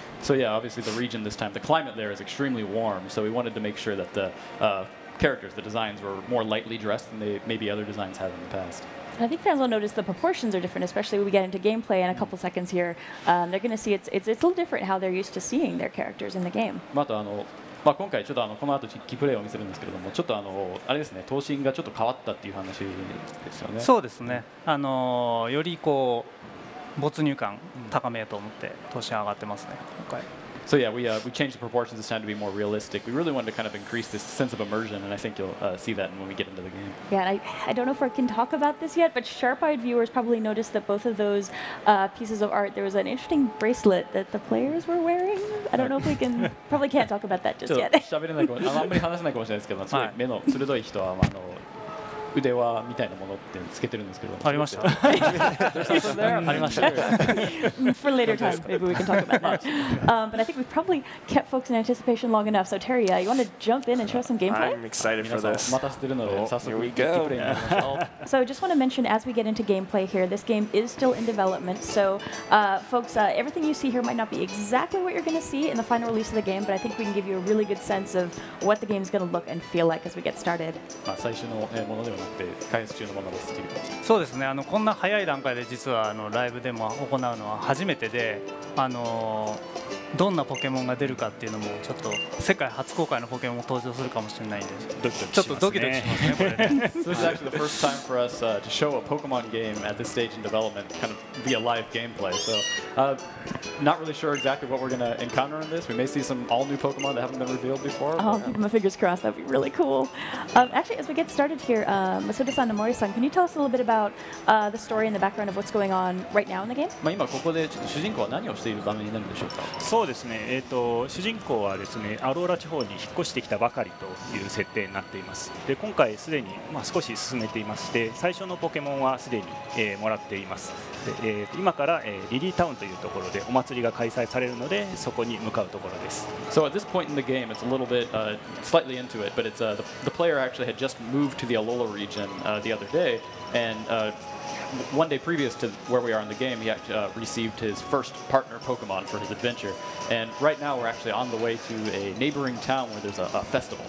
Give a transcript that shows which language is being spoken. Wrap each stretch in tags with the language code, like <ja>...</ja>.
<en>So yeah, obviously the region this time, the climate there is extremely warm, so we wanted to make sure that the characters, the designs were more lightly dressed than they maybe other designs have in the past. I think fans will notice the proportions are different, especially when we get into gameplay in a couple seconds here. They're going to see it's a little different how they're used to seeing their characters in the game.</en> <ja>またまあ、今回ちょっとこの後キープレイを見せるんですけれども、ちょっとあれですね、頭身がちょっと変わったっていう話ですよね。そうですね。よりこう没入感高めと思って頭身上がってますね。今回。</ja> <en>So yeah, we changed the proportions this time to be more realistic. We really wanted to kind of increase this sense of immersion, and I think you'll see that when we get into the game. Yeah, I don't know if we can talk about this yet, but sharp-eyed viewers probably noticed that both of those pieces of art, there was an interesting bracelet that the players were wearing. I don't know if we can, probably can't talk about that just yet.</en> <ja>ちょっと喋れないかも、あんまり話せないかもしれないですけど、すごい目の鋭い人は、腕輪みたいなものってつけてるんですけど、ありました。ありました。</ja> <en>For later time, maybe we can talk about that. But I think we've probably kept folks in anticipation long enough. So Terry, you want to jump in and show some gameplay? I'm excited for this.</en> <ja>待たせてるので、早速</ja> <en>here we go. So just want to mention as we get into gameplay here, this game is still in development. So folks, everything you see here might not be exactly what you're going to see in the final release of the game, but I think we can give you a really good sense of what the game is going to look and feel like as we get started.</en> <ja>まあ最初のもの。開発中のものですという。そうですね。こんな早い段階で実はライブでも行うのは初めてで、どんなポケモンが出るかっていうのもちょっと世界初公開のポケモンも登場するかもしれないんで、ドキドキ、ね、ちょっとドキドキしますね。これ。</ja> <en>This is actually the first time for us to show a Pokemon game at this stage in development, kind of via live gameplay. So, not really sure exactly what we're gonna encounter in this. We may see some all new Pokemon that haven't been revealed before. Oh, keep my fingers crossed. That'd be really cool. Actually, as we get started here, Masuda-san and Mori-san, can you tell us a little bit about the story and the background of what's going on right now in the game?</en> <ja>まあ今ここで主人公は何をしている場面になるんでしょうか。そうですね。主人公はですね、アローラ地方に引っ越してきたばかりという設定になっています。で、今回すでに少し進めていまして、最初のポケモンはすでに、もらっています。で、今から、リリータウンというところでお祭りが開催されるので、そこに向かうところです。</ja> <en>So at this point in the game, it's a little bit, slightly into it, but it's, the player actually had just moved to the Alola region, the other day, and, one day previous to where we are in the game, he actually received his first partner Pokemon for his adventure. And right now, we're actually on the way to a neighboring town where there's a festival.</en>